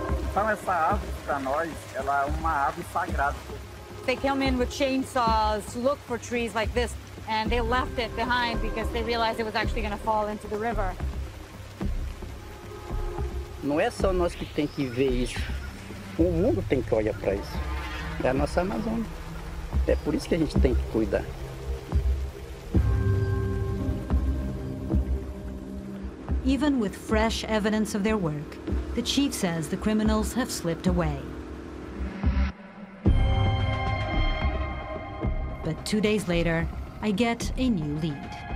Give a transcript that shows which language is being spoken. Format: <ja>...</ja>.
<pt>Então essa ave para nós, ela é uma ave sagrada.</pt> <en>They came in with chainsaws to look for trees like this, and they left it behind because they realized it was actually going to fall into the river.</en> <pt>Não é só nós que tem que ver isso. O mundo tem que olhar para isso. É a nossa Amazônia. É por isso que a gente tem que cuidar.</pt> <en>Even with fresh evidence of their work, the chief says the criminals have slipped away. But 2 days later, I get a new lead.</en>